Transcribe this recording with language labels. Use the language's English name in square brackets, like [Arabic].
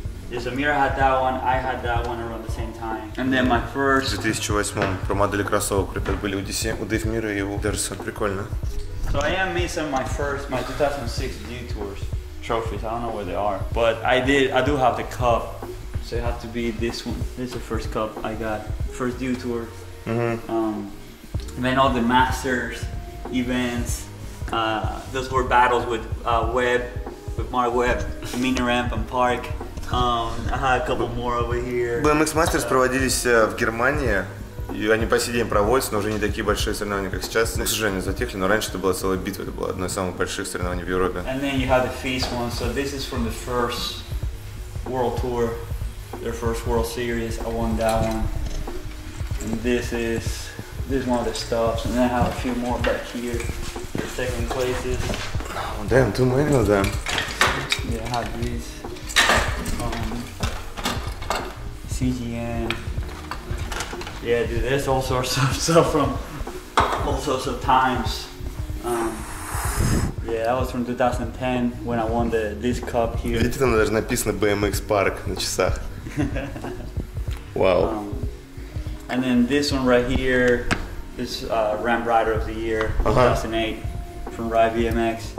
[English] Yes, Amir had that one, I had that one around the same time. And then my first... [Russian] 2008, про модели кроссовок, ребят, были у DC, у Дэйв Мира и у Дерса. Прикольно. [English] So I am missing my first, my 2006 Detours trophies. I don't know where they are. But I do have the cup. So it had to be this one. This is the first cup I got. First Detour. Mm-hmm. Then all the Masters events. Those were battles with Mark Webb, Mini Ramp and Park. I had a couple more over here. [Russian] BMX Masters проводились в Германии. И они по сей день проводятся, но уже не такие большие соревнования, как сейчас. К сожалению, затихли, но раньше это была целая битва. Это было одно из самых больших соревнований в Европе. [English] And then you have the Feast one. So this is from the first World Tour. Their first World Series, I won that one. And this is one of the stops. And then I have a few more back here. The second places. Oh, damn, too many of them. Yeah, I have these. CGN. Yeah, dude, there's all sorts of stuff from all sorts of times. Yeah, that was from 2010 when I won this cup here. [Russian] Видите, там даже написано BMX Park на часах. [English] Wow. And then this one right here is Ramp Rider of the Year, 2008, from Ride BMX.